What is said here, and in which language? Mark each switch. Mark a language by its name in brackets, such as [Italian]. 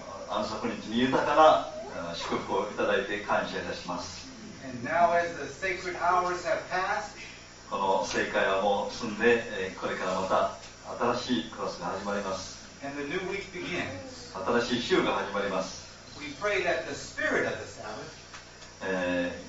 [Japanese] 安息日に豊かな祝福をいただいて感謝いたします。 [English] And now as the sacred hours have passed, [Japanese] この聖会はもう済んで、これからまた新しいクラスが始まります。 [English] And the new week begins. [Japanese] 新しい週が始まります。 [English] We pray that the spirit of the Sabbath,